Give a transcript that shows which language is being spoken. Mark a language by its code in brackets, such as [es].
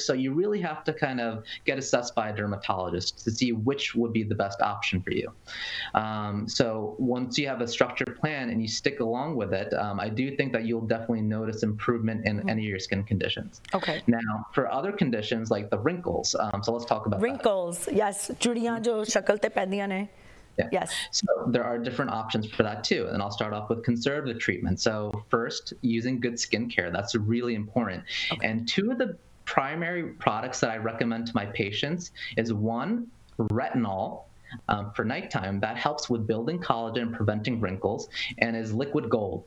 [en] So you really have to kind of get assessed by a dermatologist to see which would be the best option for you. So once you have a structured plan and you stick along with it, I do think that you'll definitely notice improvement in any of your skin conditions. Okay. Now, for other conditions like the wrinkles, so let's talk about wrinkles. That. [pa] Yes, ਚੂੜੀਆਂ ਜੋ ਸ਼ਕਲ ਤੇ ਪਹਿੰਦੀਆਂ ਹੈ. [en] Yes. So there are different options for that too. And I'll start off with conservative treatment. So first, using good skincare, that's really important. Okay. And two of the primary products that I recommend to my patients is one, retinol. For nighttime, that helps with building collagen and preventing wrinkles, and is liquid gold.